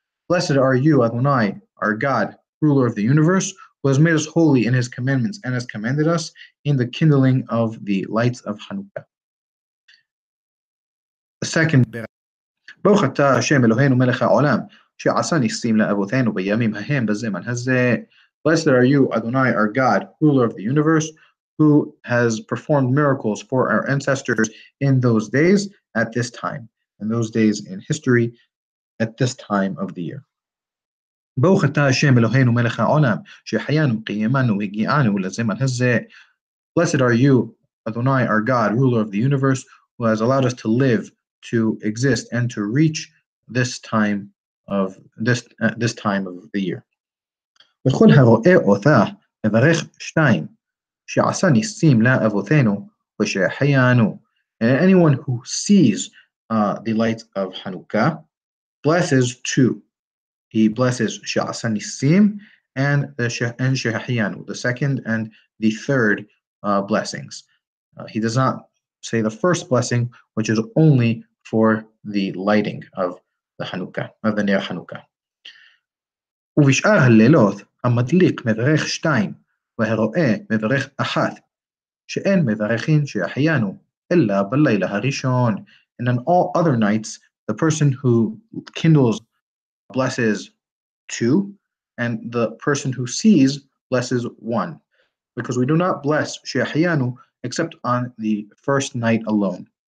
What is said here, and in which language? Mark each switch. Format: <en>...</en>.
<en>Blessed are you, Adonai, our God, ruler of the universe, who has made us holy in his commandments and has commanded us in the kindling of the lights of Hanukkah. The second</en> <he>ברוך אתה השם אלוהינו מלך העולם שעשה ניסים לאבותינו בימים ההם בזמן הזה.</he> <en>Blessed are you, Adonai, our God, ruler of the universe, who has performed miracles for our ancestors in those days at this time, in those days in history at this time of the year.</en> <he>ברוך אתה השם אלוהינו מלך העולם שחיינו קיימנו הגיענו לזמן הזה.</he> <en>Blessed are you, Adonai, our God, ruler of the universe, who has allowed us to live, to exist, and to reach this time of this time of the year.</en> <he>וכל הרואה אותה מברך שתיים, שעשה ניסים לאבותינו ושהחיינו.</he> <en>And anyone who sees the light of Hanukkah blesses two. He blesses שעשה ניסים and שהחיינו, the second and the third blessings. He does not say the first blessing, which is only for the lighting of the Hanukkah, of the Ner Hanukkah.</en> <he>ובשאר הלילות המדליק מברך שתיים, והרואה מברך אחת, שאין מברכין שהחיינו, אלא בלילה הראשון.</he> <en>And on all other nights, the person who kindles blesses two, and the person who sees blesses one. Because we do not bless שהחיינו, except on the first night alone.</en>